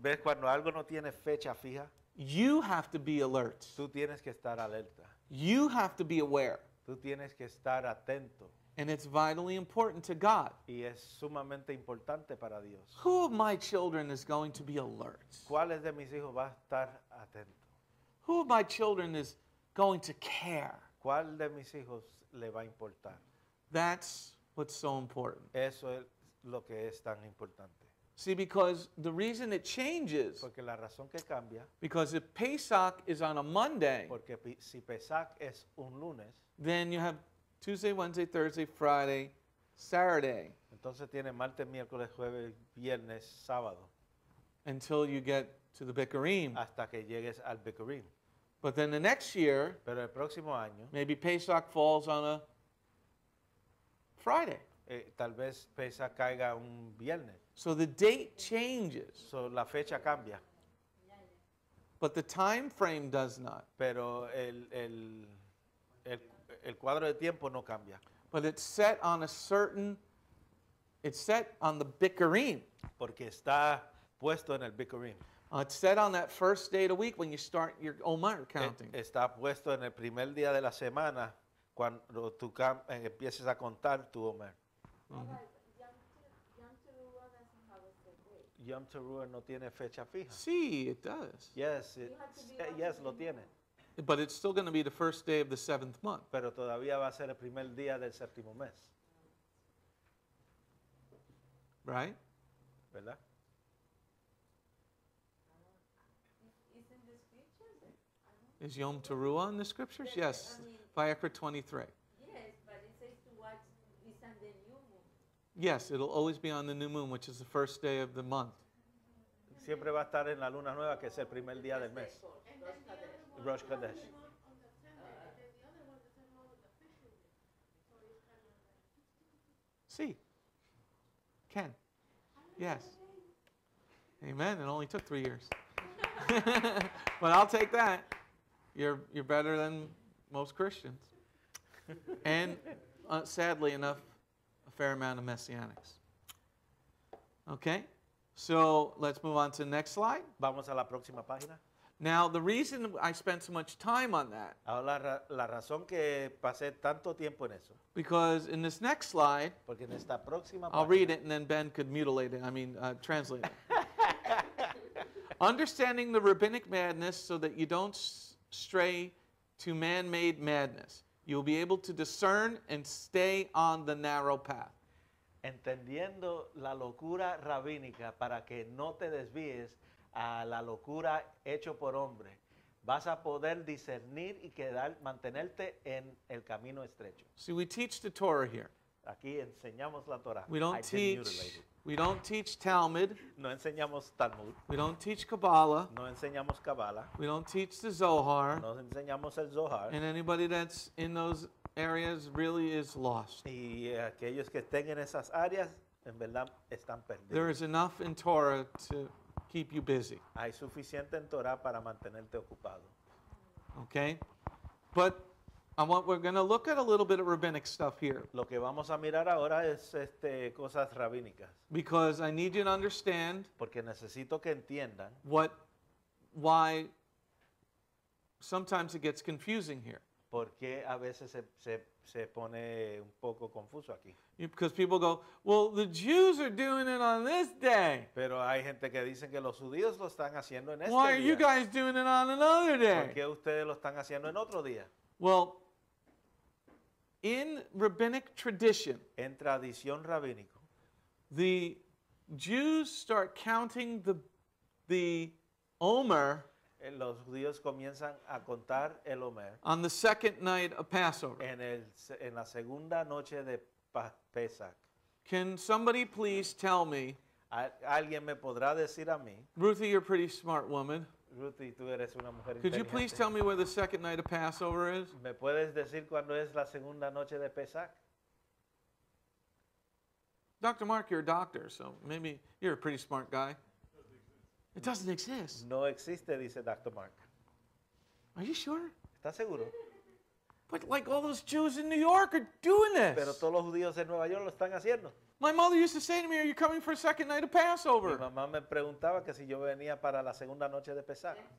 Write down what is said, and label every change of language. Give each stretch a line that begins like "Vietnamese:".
Spanish: ¿Ves cuando algo no tiene fecha fija?
English: You have to be alert.
Spanish: Tú tienes que estar alerta.
English: You have to be aware.
Spanish: Tú tienes que estar atento.
English: And it's vitally important to God.
Spanish: Y es sumamente importante para Dios.
English: Who of my children is going to be alert?
Spanish: ¿Cuáles de mis hijos va a estar atento?
English: Who of my children is going to care?
Spanish: ¿Cuál de mis hijos le va a importar?
English: That's what's so important.
Spanish: Eso es lo que es tan importante.
English: See, because the reason it changes.
Spanish: Porque la razón que cambia.
English: Because if Pesach is on a Monday.
Spanish: Porque si Pesach es un lunes.
English: Then you have Tuesday, Wednesday, Thursday, Friday, Saturday.
Spanish: Entonces tiene martes, miércoles, jueves, viernes, sábado.
English: Until you get to the Bikurim.
Spanish: Hasta que llegues al Bikurim.
English: But then the next year,
Spanish: pero el próximo año,
English: maybe Pesach falls on a Friday.
Spanish: Tal vez Pesach caiga un viernes.
English: So the date changes. So
Spanish: la fecha cambia.
English: But the time frame does not.
Spanish: Pero el cuadro de tiempo no cambia.
English: But it's set on a certain, it's set on the Bikurim.
Spanish: Porque está puesto en el Bikurim.
English: It's set on that first day of the week when you start your Omer counting.
Spanish: Está puesto en el primer día de la semana cuando tú empieces a contar tu Omer. Yom Teruah no tiene fecha fija. Sí,
English: it does. Yes,
Spanish: lo tiene.
English: But it's still going to be the first day of the seventh month.
Spanish: Pero todavía va a ser el primer día del séptimo mes.
English: Right?
Spanish: ¿Verdad?
English: Is Yom Teruah in the scriptures? Yes. Vayikra 23. Yes, but it says to watch it's on the new moon. Yes, it'll always be on the new moon, which is the first day of the month.
Spanish: Siempre va a estar en la luna nueva, que es el primer día del mes. Rosh Kadesh. Sí. Ken. Yes.
English: Amen. It only took 3 years. But I'll take that. you're better than most Christians. And sadly enough, a fair amount of Messianics. Okay? So let's move on to the next slide.
Spanish: Vamos a la próxima página.
English: Now, the reason I spent so much time on that,
Spanish: la razón que pasé tanto tiempo en eso,
English: because in this next slide,
Spanish: porque en esta próxima
English: I'll read it and then Ben could mutilate it, I mean, translate it. Understanding the rabbinic madness so that you don't stray to man-made madness. You'll be able to discern and stay on the narrow path.
Spanish: Entendiendo la locura rabínica para que no te desvíes a la locura hecho por hombre, vas a poder discernir y quedar, mantenerte en el camino estrecho.
English: See, we teach the Torah here.
Spanish: Aquí enseñamos la Torah.
English: We don't teach Talmud.
Spanish: No enseñamos Talmud.
English: We don't teach Kabbalah.
Spanish: No enseñamos Kabbalah.
English: We don't teach the Zohar.
Spanish: No enseñamos el Zohar.
English: And anybody that's in those areas really is lost.
Spanish: Y aquellos que estén en esas áreas, en verdad, están perdidos.
English: There is enough in Torah to keep you busy.
Spanish: Hay suficiente en Torah para mantenerte ocupado.
English: Okay, but we're going to look at a little bit of rabbinic stuff here.
Spanish: Lo que vamos a mirar ahora es cosas rabínicas.
English: Because I need you to understand.
Spanish: Porque necesito que entiendan.
English: Why sometimes it gets confusing here.
Spanish: Porque a veces se pone un poco confuso aquí.
English: Because people go, well, the Jews are doing it on this day.
Spanish: Pero hay gente que dicen que los judíos lo están haciendo en este día.
English: Why are you guys doing it on another day?
Spanish: ¿Por qué ustedes lo están haciendo en otro día?
English: Well, in rabbinic tradition,
Spanish: en tradición rabínico,
English: the Jews start counting the Omer.
Spanish: Los judíos comienzan a contar el Omer.
English: On the second night of Passover.
Spanish: En la segunda noche de Pesach.
English: Can somebody please tell me?
Spanish: Alguien me podrá decir a mí.
English: Ruthie, you're a pretty smart woman.
Spanish: Ruthie, tú eres una mujer.
English: Could you please tell me where the second night of Passover is?
Spanish: ¿Me puedes decir cuándo es la segunda noche de Pesach?
English: Dr. Mark, you're a doctor, so maybe you're a pretty smart guy. It doesn't exist.
Spanish: No existe, dice Dr. Mark.
English: Are you sure?
Spanish: ¿Estás seguro?
English: But like all those Jews in New York are doing this.
Spanish: Pero todos los judíos en Nueva York lo están haciendo.
English: My mother used to say to me, "Are you coming for a second night of Passover?"
Spanish: Mi mamá me preguntaba que si yo venía para la segunda noche de Pesaj.